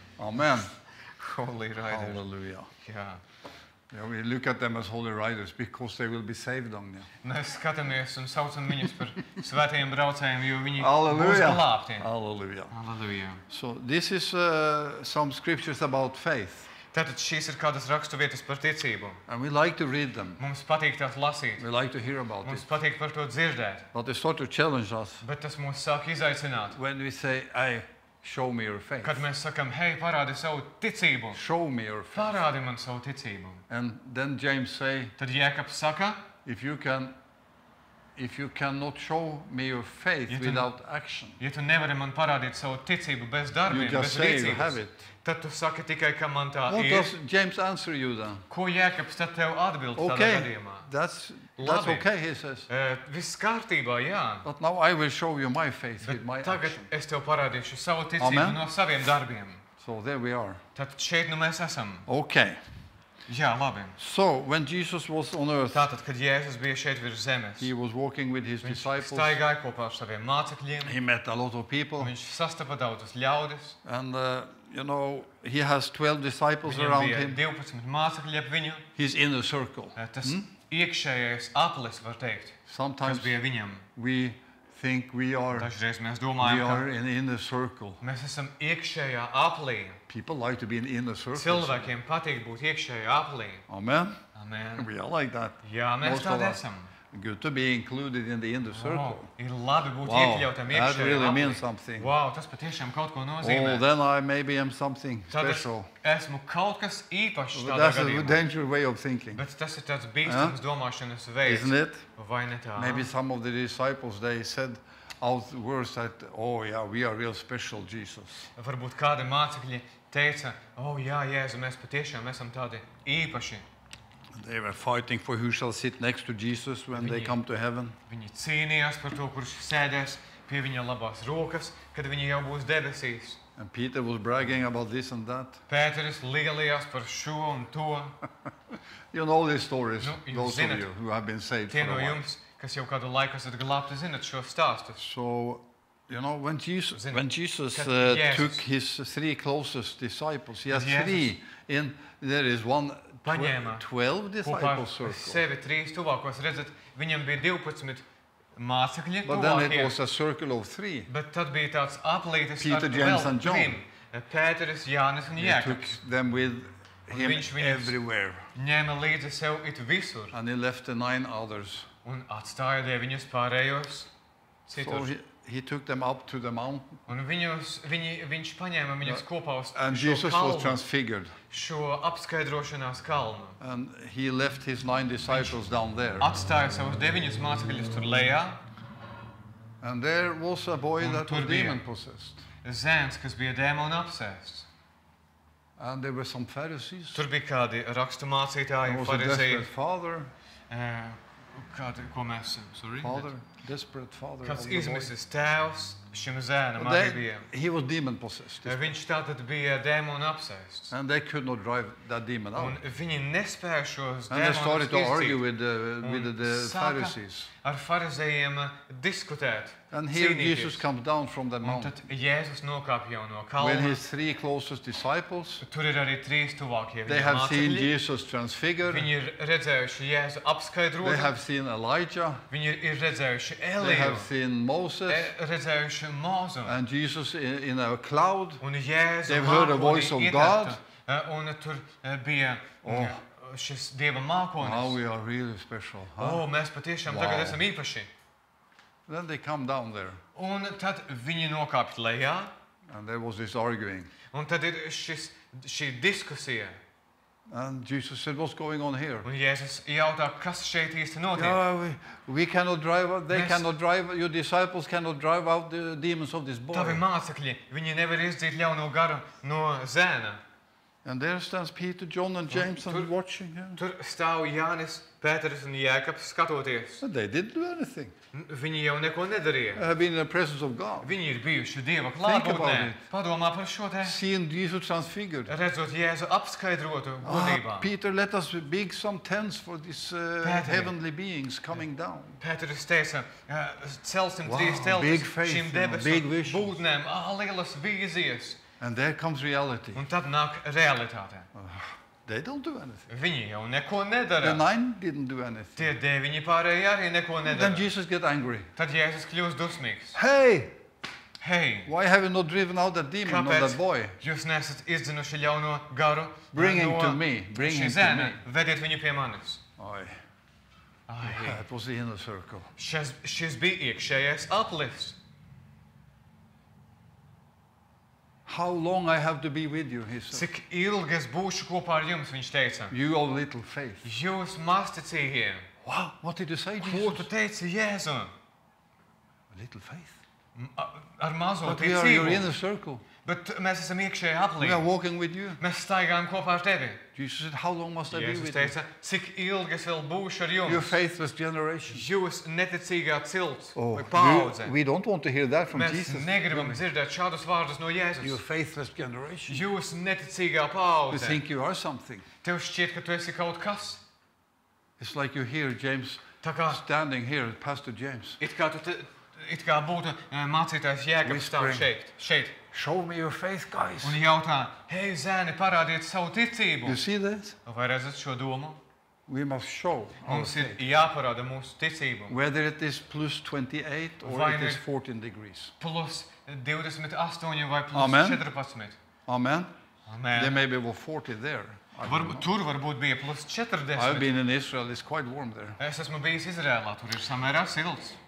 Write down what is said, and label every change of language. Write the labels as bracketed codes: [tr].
[en] Amen. Holy rider. Hallelujah. Yeah. Yeah, we look at them as holy riders because they will be saved on them. [lv] Mēs skatāmies un saucam viņus par svētajiem braucējiem, jo viņi būs glābti. [en] Hallelujah. Hallelujah. So this is some scriptures about faith. [lv] Tātad šīs ir kādas rakstuvietas par ticību. [en] And we like to read them. [lv] Mums patīk tās lasīt. [en] We like to hear about [lv] Mums patīk par to dzirdēt. [en] But they sort of challenge us. [lv] Bet tas mūs sāk izaicināt. [en] When we say, hey, show me your faith. [lv] Kad mēs sakam, hey, parādi savu ticību. [en] Show me your faith. [lv] Parādi man savu ticību. [en] And then James say, [lv] tad Jēkabs saka, [en] if you cannot show me your faith without action, [lv] ja tu nevari man parādīt savu ticību bez darbiem, [en] you just [lv] bez [en] say [lv] rīcības, [en] you have it. [lv] Tad tu saki tikai, ka man tā [en] What [lv] ir. [en] What does James answer you then? [lv] Ko Jēkabs tad tev atbild [en] okay. [lv] tādā gadījumā? [en] That's okay, he says. [lv] Viss kārtībā, jā. [en] But now I will show you my faith with my action. [lv] Tagad es tev parādīšu savu ticību [en] Amen. [lv] No saviem darbiem. [en] So there we are. [lv] Tad šeit nu mēs esam. [en] Okay. [lv] Jā, labi. [en] So, when Jesus was on earth, [lv] Tātad, kad Jēzus bija šeit virs zemes, [en] he was walking with his disciples. [lv] Viņš staigāja kopā ar saviem mācekļiem. [en] He met a lot of people. [lv] Viņš sastapa daudzas ļaudis. [en] And, you know, he has 12 disciples around him. [lv] Viņam bija 12 mācekļi ap viņu. [en] His inner circle. [lv] Tas iekšējais aplis, var teikt, [en] Sometimes [lv] kas bija viņam. [en] We think we are, [lv] Dažreiz mēs domājam, [en] we are in inner circle. [lv] Mēs esam iekšējā aplī. [en] People like to be in inner circle. [lv] Cilvēkiem patīk būt iekšējā aplī. [en] Amen. Amen. We are like that. [lv] Jā, mēs tādi esam. [en] Good to be included in the inner circle. Wow. [lv] Ir labi būt iekļautam iekšējā. [en] That really means something. [lv] Wow, tas patiešām kaut ko nozīmē. [en] Oh, then I maybe am something special. [lv] Esmu kaut kas īpašs tādā gadījumā. [en] That's a dangerous way of thinking. [lv] Bet tas ir tāds bīstams domāšanas veids. [en] Isn't it? [lv] Vai ne tā? [en] Maybe some of the disciples, they said out words that, oh, yeah, we are real special Jesus. [lv] Varbūt kādi mācekļi teica, oh, jā, Jēzu, mēs patiešām esam tādi īpaši. [en] They were fighting for who shall sit next to Jesus when they come to heaven. [lv] Viņi cīnījās par to, kurš sēdēs pie viņa labās rokas, kad viņi jau būs debesīs. [en] And Peter was bragging about this and that. [lv] Pēteris lielījās par šo un to. [en] You know these stories, those of you who have been saved for a while. [lv] Tie no jums, kas jau kādu laiku esat glābti, zinat šo stāstu. [en] So, you know, when Jesus took his three closest disciples, he has three, and there is one... 12 disciples circle. [lv] Sevi trīs tuvākos, redzat, viņam bija 12 mācekļi tuvākie. [en] But then it was a circle of three. [lv] Bet tad bija tāds aplītis ar 12 Pēteris, Jānis un Jēkabs. [en] He took them with him everywhere. [lv] Ņēma līdzi sev it visur. [en] And he left the 9 others. [lv] Un atstāja deviņus pārējos citur. [en] He took them up to the mountain. [lv] Un viņš paņēma viņus kopā uz šo kalnu. [en] And Jesus was transfigured. [lv] Šo apskaidrošanās kalnu. [en] And he left his 9 disciples down there. [lv] Atstāja savus 9 mācekļus tur lejā. [en] And there was a boy that was demon possessed. [lv] Zēns, kas bija dēmona apsēsts. [en] And there were some Pharisees. [lv] Tur bija kādi rakstumācītāji, farizeji. [en] There was a desperate father. [lv] Kādi, ko mēs, sorry. [en] Father. Desperate father. [lv] Kāds izmisis tēvs šim zēnam arī bija. [en] He was demon possessed. [lv] Viņš tātad bija dēmona apsēsts. [en] And they could not drive that demon out. [lv] Un viņi nespēja šos dēmonus izdzīt. [en] And they started to argue with the Pharisees. [lv] Ar farizējiem diskutēt. [en] And here Jesus comes down from the mountain. [lv] Un tad Jēzus nokāpja no kalna. [en] When his three closest disciples. [lv] Tur ir arī trīs tuvākie viņa mācekļi. [en] They have seen Jesus transfigured. [lv] Viņi ir redzējuši Jēzu apskaidrot. [en] They have seen Elijah. [lv] Viņi ir redzējuši Eliju. [en] They have seen Moses. [lv] Redzējuši Mozu. [en] And Jesus in a cloud. [lv] Un Jēzus [en] they've heard a voice of God. [lv] Un tur bija šis Dieva mākonis. [en] Now we are really special. Huh? [lv] Oh, mēs patiešām tagad esam īpaši. [en] Then they come down there. [lv] Un tad viņi nokāpt lejā. [en] And there was this arguing. [lv] Un tad ir šī diskusija. [en] And Jesus said, what's going on here? [lv] Un Jēzus jautā, kas šeit īsti notiek? [en] Yeah, we cannot drive out, your disciples cannot drive out the demons of this boy. [lv] Tavi mācekļi, viņi nevar izdzīt ļauno garu no zēna. [en] And there stands Peter, John and James and watching. Yeah. [lv] Tur stāv Jānis, Pēteris un Jēkabs skatoties. [en] But they didn't do anything. [lv] Viņi jau neko nedarīja. [en] Have been in the presence of God. [lv] Viņi ir bijuši Dieva klātbūtnē. Padomā par šo te. [en] Seen Jesus transfigured. [lv] Redzot Jēzu apskaidrotu godībā. [en] Ah, Peter, let us big some tents for these heavenly beings coming down. [lv] Pēteris teica, celsim trīs teltis šim debesu būtnēm. Ah, lielas vīzijas. [en] And there comes reality. [lv] Un tad nāk realitāte. [en] They don't do anything. [lv] Viņi jau neko nedara. [en] The 9 didn't do anything. [lv] Tie 9 pārējie arī neko nedara. [en] Then Jesus get angry. [lv] Tad Jēzus kļūst dusmīgs. [en] Hey! Why have you not driven out that demon, not that boy? [lv] Jūs nesat izdzinuši ļauno garu? [en] Bring him to me. Bring him to me. [lv] Vediet viņu pie manis. Oi. Ai. [en] It was the inner circle. [lv] Šis bija iekšējais aplifts. [en] How long I have to be with you, he said. [lv] Cik ilgi es būšu kopā ar jums, viņš teica. [en] You of little faith. [lv] Jūs mazticīgie. [en] Wow, what did you say, Jesus? [lv] Ko tu teici, Jēzu? [en] A little faith. [lv] Ar mazo ticību. [en] But we are your inner circle. [lv] Bet mēs esam iekšējā aplī. [en] We are walking with you. [lv] Mēs staigājam kopā ar tevi. [en] Jesus said, how long must I be with you? [lv] Jēzus teica, cik ilgi es vēl būšu ar jums? [en] Your faithless generation. [lv] Jūs neticīgā cilts vai paudze. [en] We don't want to hear that from [lv] mēs [en] Jesus. [lv] Mēs negribam dzirdēt šādus vārdus no Jēzus. [en] Your faithless generation. [lv] Jūs neticīgā paudze. [en] You think you are something. [lv] Tev šķiet, ka tu esi kaut kas. [en] It's like you hear James standing here, Pastor James. [lv] It kā būtu mācītājs Jēkabs stāv šeit. [en] Show me your faith, guys. [lv] Un jautā, hei, zēni, parādiet savu ticību. [en] You see that? [lv] Vai redzat šo domu? [en] We must show [lv] mums ir jāparāda mūsu ticību. [en] Whether it is plus 28 or it is 14 degrees. [lv] Plus 28 vai plus 14. [en] Amen. Amen. There may be 40 there. [lv] Tur varbūt bija plus 40. [en] I've been in Israel, it's quite warm there. [lv] Es esmu bijis Izraēlā, tur ir samērā silts.